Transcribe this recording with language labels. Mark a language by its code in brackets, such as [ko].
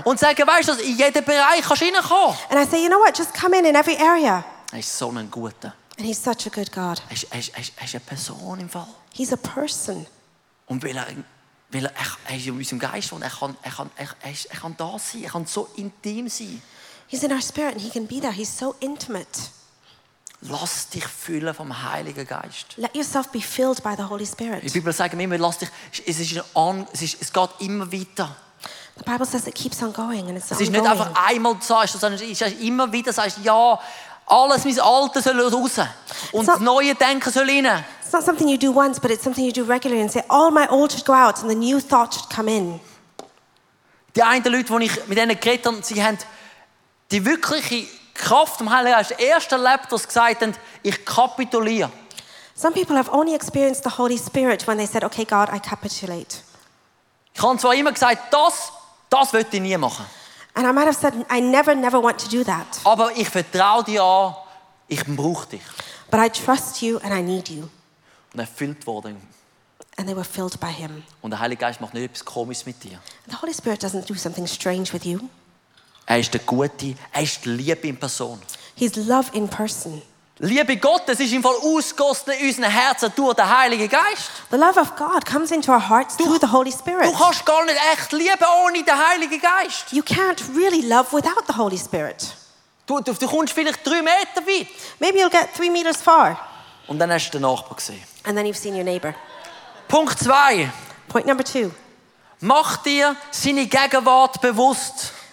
[de] Und sage, weißt du, in jeden Bereich kannst du reinkommen. [en] And I say, you know what, just come in every area. [de] Er ist so ein guter. [en] And he's such a good God. [de] Er ist eine Person im Fall. [en] He's a person. [de] Und weil er ist in unserem Geist und er kann da sein, er kann so intim sein. [en] He's in our spirit and he can be there. He's so intimate. [de] Lass dich füllen vom Heiligen Geist. [en] Let yourself be filled by the Holy Spirit. [de] Die Bibel sagt immer, lass dich. Es geht immer weiter. [en] The Bible says it keeps on going and it's ongoing. [de] Es ist nicht einfach einmal sagst, sondern es ist immer wieder sagst, ja. Alles, mein Alte soll raus. Und das neue Denken soll rein. [en] It's not something you do once, but it's something you do regularly and say, all my old should go out and the new thought should come in. [de] Die einen Leute, die ich mit ihnen geredet habe, sie haben die wirkliche Kraft im Heiligen Geist erst erlebt, was gesagt haben, ich kapituliere. [en] Some people have only experienced the Holy Spirit when they said, okay, God, I capitulate. [de] Ich habe zwar immer gesagt, das will ich nie machen. [en] And I might have said, I never want to do that. [de] Aber ich vertraue dir an, ich brauche dich. [en] But I trust you and I need you. [de] Und erfüllt worden. [en] And they were filled by him. [de] Und der Heilige Geist macht nicht etwas Komisches mit dir. [en] The Holy Spirit doesn't do something strange with you. [de] Er ist der Gute, er ist Liebe in Person. [en] He's love in person. [de] Liebe Gottes ist im Fall ausgegossen in unseren Herzen durch den Heiligen Geist. [en] The love of God comes into our hearts through the Holy Spirit. [de] Du kannst gar nicht echt lieben ohne den Heiligen Geist. [en] You can't really love without the Holy Spirit. [de] Du kommst vielleicht 3 Meter weit. [en] Maybe you'll get 3 meters far. [de] Und dann hast du den Nachbar gesehen. [en] And then you've seen your neighbor. [de] Punkt 2. [en] Point number 2. [de] Mach dir seine Gegenwart bewusst.